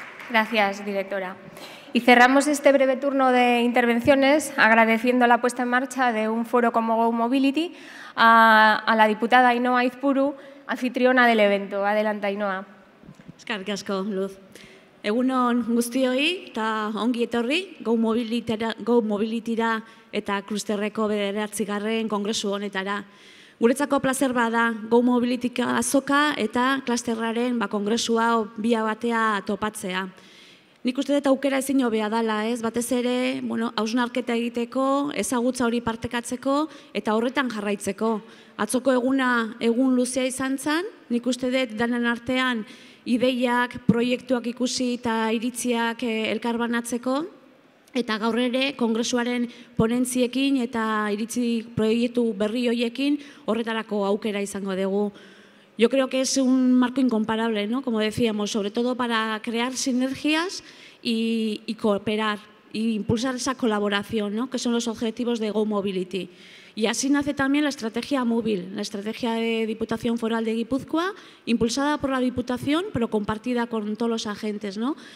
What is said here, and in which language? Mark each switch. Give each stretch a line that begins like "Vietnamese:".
Spanish: Gracias, directora. Y cerramos este breve turno de intervenciones agradeciendo la puesta en marcha de un foro como Go Mobility a la diputada Ainhoa Aizpuru, anfitriona del evento. Adelante, Ainhoa.
Basque: Eskerrik asko, Luz. Egunon guztioi eta ongi etorri Go Mobility-ra eta Clusterreko 9. kongresu honetara. Guretzako plazer bada Go Mobility azoka eta klasterraren kongresua bia batea topatzea. Nik uste dut aukera ezin hobea dala, ez? Batez ere, bueno, hausnarketa egiteko, ezagutza hori partekatzeko eta horretan jarraitzeko. Atzoko eguna egun luzea izan zen, nik uste dut danen artean ideiak, proiektuak ikusi eta iritziak elkar banatzeko. Eta gaur ere, kongresuaren ponentziekin eta iritzi proiektu berri hoiekin horretarako aukera izango dugu.
Spanish: Yo creo que es un marco incomparable, ¿no? Como decíamos, sobre todo para crear sinergias y cooperar e impulsar esa colaboración, ¿no? Que son los objetivos de Go Mobility. Y así nace también la estrategia móvil, la estrategia de Diputación Foral de Gipuzkoa, impulsada por la Diputación, pero compartida con todos los agentes, ¿no?